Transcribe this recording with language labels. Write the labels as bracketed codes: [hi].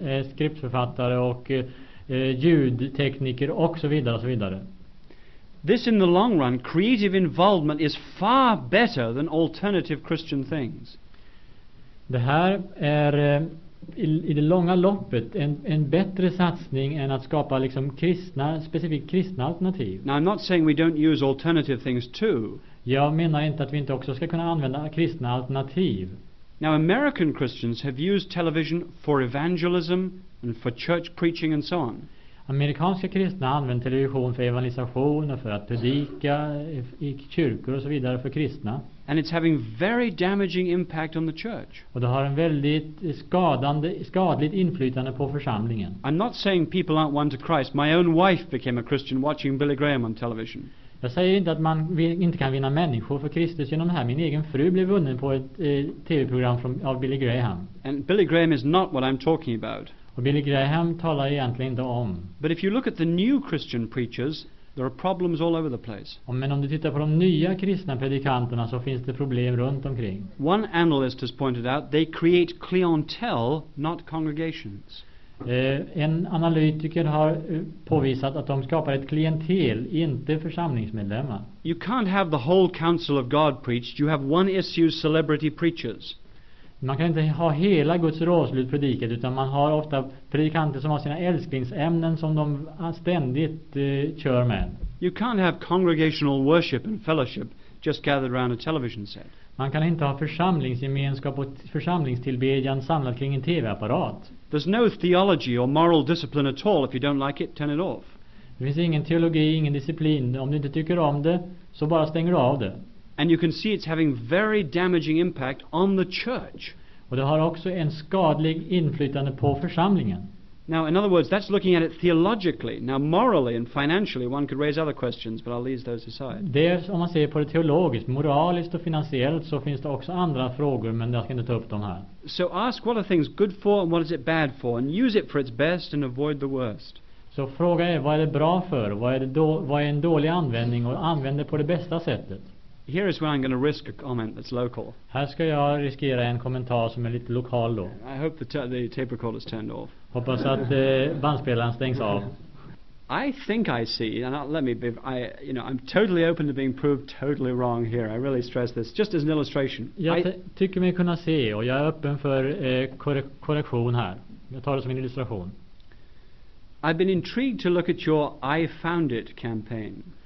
[sv] Skriptförfattare och ljudtekniker och så vidare och så vidare. [en] This in the long run, creative involvement is far better than alternative Christian things. [sv] Det här är i det långa loppet en bättre satsning än att skapa liksom kristna, specifikt kristna alternativ. [en] Now I'm not saying we don't use alternative things too. [sv] Jag menar inte att vi inte också ska kunna använda kristna alternativ. [en] Now American Christians have used television for evangelism and for church preaching and so on. [sv] Amerikanska kristna använder television för evangelisation och för att predika i kyrkor och så vidare för kristna. [en] And it's having very damaging impact on the church. [sv] Och det har en väldigt skadligt inflytande på församlingen. [en] I'm not saying people aren't one to Christ. My own wife became a Christian watching Billy Graham on television. [sv] Jag säger inte att man inte kan vinna människor för Kristus genom det här. Min egen fru blev vunnen på ett TV-program av Billy Graham. [en] And Billy Graham is not what I'm talking about. [sv] Och Billy Graham talar egentligen inte om. [en] But if you look at the new Christian preachers, there are problems all over the place. [sv] Men om du tittar på de nya kristna predikanterna så finns det problem runt omkring. [en] One analyst has pointed out they create clientele, not congregations. [sv] En analytiker har påvisat att de skapar ett klientel, inte församlingsmedlemmar. [en] You can't have the whole counsel of God preached. You have one issue celebrity preachers. [sv] Man kan inte ha hela Guds rådslut predikat, utan man har ofta predikanter som har sina älsklingsämnen som de ständigt kör med. [en] You can't have congregational worship and fellowship just gathered around a television set. [sv] Man kan inte ha församlingsgemenskap och församlingstillbedjan samlat kring en TV-apparat. [en] There's no theology or moral discipline at all. If you don't like it, turn it off. [sv] Det finns ingen teologi, ingen disciplin. Om du inte tycker om det, så bara stänger du av det. [en] And you can see it's having very damaging impact on the church. [sv] Och det har också en skadlig inflytande på församlingen. [en] Now, in other words, that's looking at it theologically. Now, morally and financially, one could raise other questions, but I'll leave those aside. [sv] Dels om man ser på det teologiskt, moraliskt och finansiellt, så finns det också andra frågor, men jag ska inte ta upp dem här. [en] So ask what are things good for and what is it bad for, and use it for its best and avoid the worst. [sv] Så fråga är, vad är det bra för? Vad är en dålig användning och använd det på det bästa sättet? [en] Here is where I'm going to risk a comment that's local. [sv] Här ska jag riskera en kommentar som är lite lokal då. [en] I hope the tape recorder is turned off. [sv] Hoppas att bandspelaren stängs av. [en] I think I see, and I'm totally open to being proved totally wrong here. I really stress this, just as an illustration. [sv] Jag tycker mig kunna se, och jag är öppen för korrektion här. Jag tar det som en illustration. [en] I've been intrigued to look at your I found it campaign.